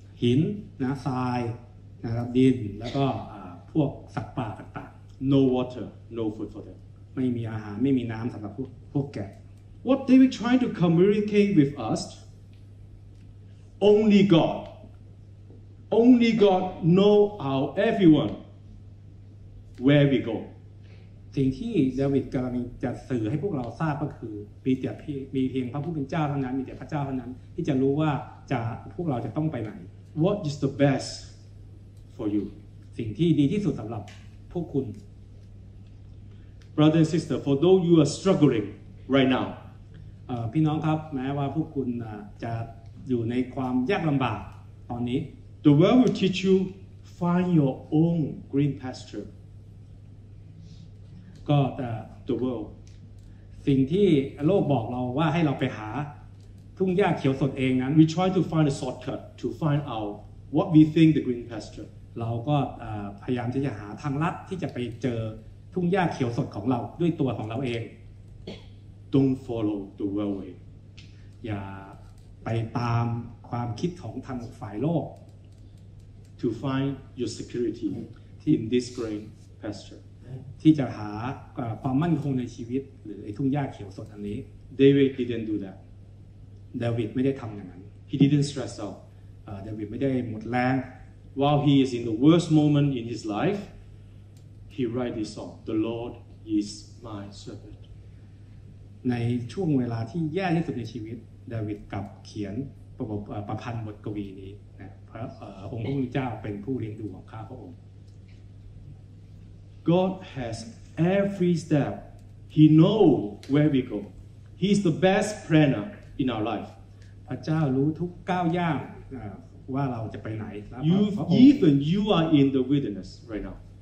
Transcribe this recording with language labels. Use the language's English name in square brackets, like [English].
[Thai] นนะทรายนะครับดินแล้วก็พวกสัตว์ป่าต่าง [English] ๆ No water, no food for them. [Thai] ไม่มีอาหารไม่มีน้ำสำหรับพวกแกะ [English] What they were trying to communicate with us? Only God. Only God know our everyone. Where we go. [Thai] สิ่งที่ดาวิดกำลังจะสื่อให้พวกเราทราบก็คือมีเพียงพระผู้เป็นเจ้าเท่านั้นมีแต่พระเจ้าเท่านั้นที่จะรู้ว่าจะพวกเราจะต้องไปไหน [English] What is the best for you [Thai] สิ่งที่ดีที่สุดสำหรับพวกคุณ [English] Brother and sister for those you are struggling right now [Thai] พี่น้องครับแม้ว่าพวกคุณจะอยู่ในความยากลำบากตอนนี้ [English] The world will teach you find your own green pasture [Thai] ก็แต่ [English] the world [Thai] สิ่งที่โลกบอกเราว่าให้เราไปหาทุ่งหญ้าเขียวสดเองนั้น [English] we try to find a shortcut to find out what we think the green pasture [Thai] เราก็พยายามที่จะหาทางลัดที่จะไปเจอทุ่งหญ้าเขียวสดของเราด้วยตัวของเราเอง [English] don't follow the world way [Thai] อย่าไปตามความคิดของทางฝ่ายโลก [English] to find your security in this green pasture [Thai] ที่จะหาความมั่นคงในชีวิตหรือไอ้ทุ่งหญ้าเขียวสดอันนี้ [English] David didn't do that [Thai] David ไม่ได้ทำอย่างนั้น [English] He didn't stress out [Thai] David ไม่ได้หมดแรง [English] While he is in the worst moment in his life he write this song The Lord is my servant [Thai] ในช่วงเวลาที่แย่ที่สุดในชีวิต David กลับเขียนประพันธ์บทกวีนี้นะพระองค์พระเจ้าเป็นผู้เลี้ยงดูของข้าพระองค์ [English] God has every step. He knows where we go. He is the best planner in our life. [Thai] พระเจ้ารู้ทุกก้าวย่างว่าเราจะไปไหน [English] Even you are in the wilderness right now.